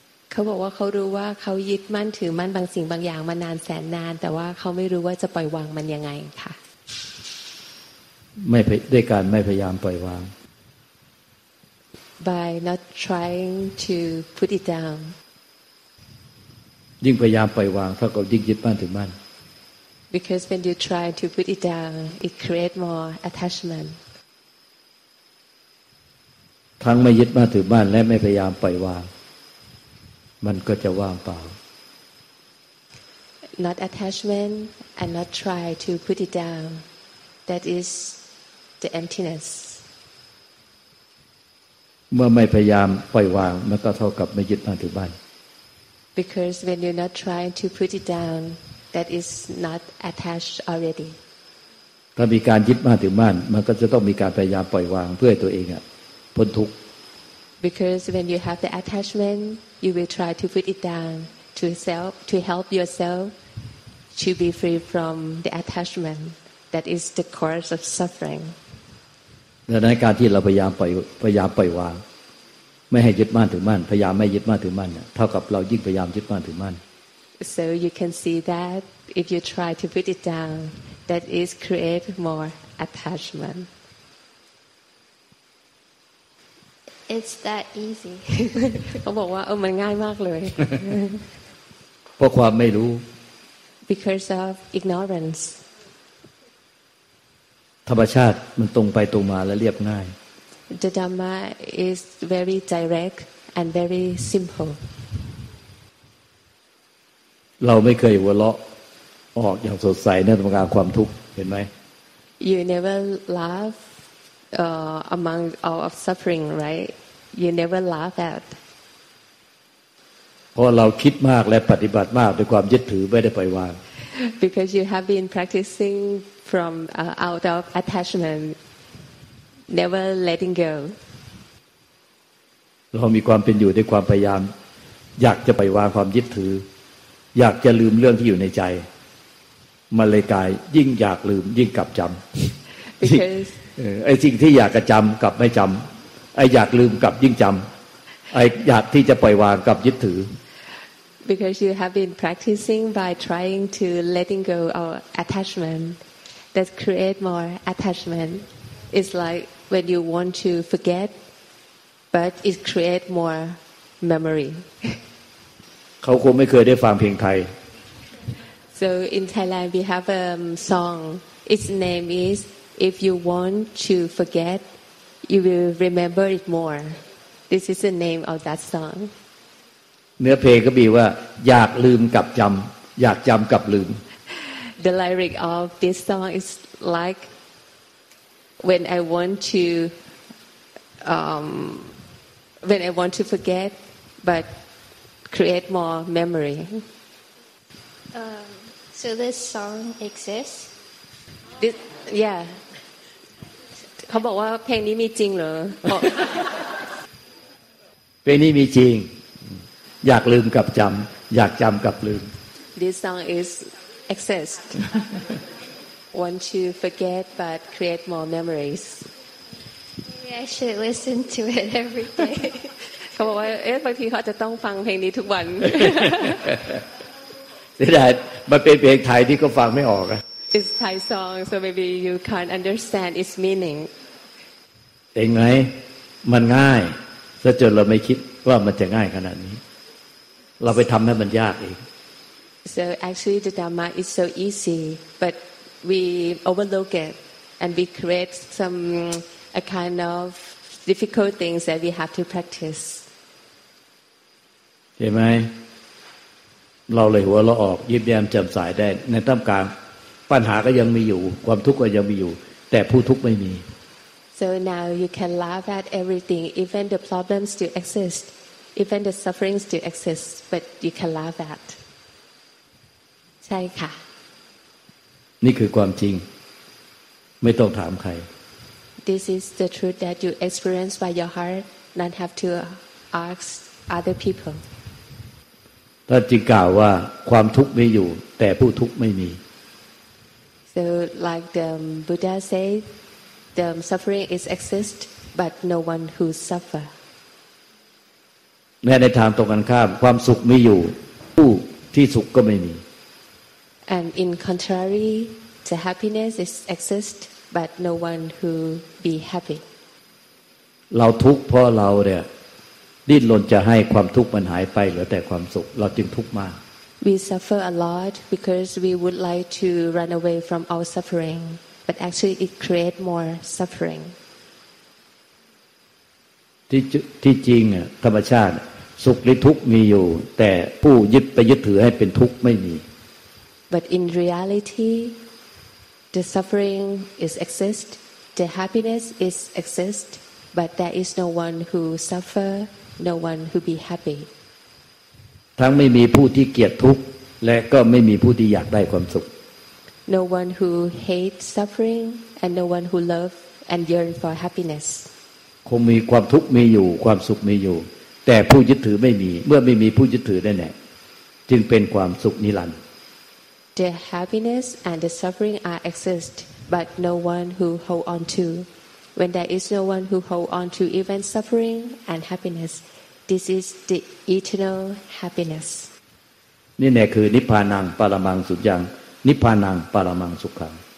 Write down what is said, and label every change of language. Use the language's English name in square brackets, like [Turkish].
[Thai] เขาบอกว่าเขารู้ว่าเขายึดมั่นถือมั่นบางสิ่งบางอย่างมานานแสนนานแต่ว่าเขาไม่รู้ว่าจะปล่อยวางมันยังไงค่ะ ไม่ด้วยการไม่พยายามปล่อยวาง [English] by not trying to put it down [Thai] ยิ่งพยายามปล่อยวางเท่ากับยิ่งยึดมั่นถึงมั่น [English] because when you try to put it down it create more attachment [Thai] ทั้งไม่ยึดมั่นถือมั่นและไม่พยายามปล่อยวางมันก็จะว่างเปล่า [English] not attachment and not try to put it down that isThe emptiness. [Thai] เมื่อไม่พยายามปล่อยวางมันก็เท่ากับไม่ยึดมั่นถือมั่น [English] Because when you're not trying to put it down, that is not attached already. [Thai] ถ้ามีการยึดมั่นถือมั่นมันก็จะต้องมีการพยายามปล่อยวางเพื่อตัวเองอ่ะพ้นทุกข์ [English] because when you have the attachment you will try to put it down to self to help yourself to be free from the attachment that is the cause of suffering [Thai] ในการที่เราพยายามปล่อยวางไม่ให้ยึดมั่นถือมั่นพยายามไม่ยึดมั่นถือมั่นเท่ากับเรายิ่งพยายามยึดมั่นถือมั่น [English] so you can see that if you try to put it down that is create more attachment It's that easy. [Thai] เขาบอกว่าเออมันง่ายมากเลย เพราะความไม่รู้ [English] Because of ignorance. [Thai] ธรรมชาติมันตรงไปตรงมาและเรียบง่าย [English] The Dhamma is very direct and very simple. [Thai] เราไม่เคยหัวเราะออกอย่างสดใสในธรรมการความทุกข์เห็นไหม [English] You never laughAmong all of suffering, right? You never laugh at. Because we think too much and practice too much, with the attachment, we don't let go. Because you have been practicing from out of attachment, never letting go. We have been living in the effort to let go of the attachment, to let go of the things that are in our mind. The body wants to forget, the mind wants to remember. [Thai] ไอ้สิ่งที่อยากจำกับไม่จำไอ้อยากลืมกับยิ่งจำไอ้อยากที่จะปล่อยวางกับยึดถือ [English] Because you have been practicing by trying to letting go of attachment that create more attachment it's like when you want to forget but it create more memory [Thai] เขาคงไม่เคยได้ฟังเพลงไทย [English] So in Thailand we have a song its name isIf you want to forget, you will remember it more. This is the name of that song. [Thai] เนื้อเพลงก็มีว่าอยากลืมกับจำอยากจำกับลืม [English] The lyric of this song is like when I want to when I want to forget, but create more memory. So this song exists. This yeah. [Thai] เขาบอกว่าเพลงนี้มีจริงเหรอ เพลงนี้มีจริงอยากลืมกับจำอยากจำกับลืม [English] This song is exist want to forget but create more memories Maybe I should listen to it every day [Thai] เขาบอกว่าเอ๊ะบางทีเขาจะต้องฟังเพลงนี้ทุกวัน นี่แหละมันเป็นเพลงไทยที่ก็ฟังไม่ออก [English] It's Thai song, so maybe you can't understand its meaning. [Thai] เองไงมันง่ายซะจนเราไม่คิดว่ามันจะง่ายขนาดนี้เราไปทำให้มันยากเอง [English] So actually, the Dhamma is so easy, but we overlook it and we create some a kind of difficult things that we have to practice. [Thai] เห็นไหมเราเลยหัวเราออกยิ้มแย้มแจ่มใสได้ในท่ามกลางปัญหาก็ยังมีอยู่ความทุกข์ก็ยังมีอยู่แต่ผู้ทุกข์ไม่มี [English] So now you can laugh at everything even the problems still exist even the suffering still exists but you can laugh at [Thai] ใช่ค่ะ นี่คือความจริงไม่ต้องถามใคร [English] This is the truth that you experience by your heart not have to ask other people [Thai] ท่านจึงกล่าวว่าความทุกข์มีอยู่แต่ผู้ทุกข์ไม่มี [English] So like the Buddha said, the suffering is exist, but no one who suffer. [Thai] แม้ในทางตรงกันข้ามความสุขมีอยู่ผู้ที่สุขก็ไม่มี [English] And in contrary, the happiness is exist, but no one who be happy. [Thai] เราทุกข์เพราะเราเนี่ยดิ้นรนจะให้ความทุกข์มันหายไปเหลือแต่ความสุขเราจึงทุกข์มาก [English] We suffer a lot because we would like to run away from our suffering, but actually it creates more suffering. [Thai] ที่จริงธรรมชาติสุขหรือทุกข์มีอยู่แต่ผู้ยึดไปยึดถือให้เป็นทุกข์ไม่มี [English] But in reality, the suffering is exist, the happiness is exist, but there is no one who suffer, no one who be happy. [Thai] ทั้งไม่มีผู้ที่เกลียดทุกข์และก็ไม่มีผู้ที่อยากได้ความสุข [English] No one who hate suffering and no one who love and yearn for happiness [Thai] คงมีความทุกข์มีอยู่ความสุขมีอยู่แต่ผู้ยึดถือไม่มีเมื่อไม่มีผู้ยึดถือได้แน่จึงเป็นความสุขนิรันดร์ [English] The happiness and the suffering are exist but no one who hold on to when there is no one who hold on to even suffering and happiness this is the eternal happiness [Thai] นี่แน่คือ [Pali] นิพพานังปรมังสุขังนิพพานังปรมังสุขัง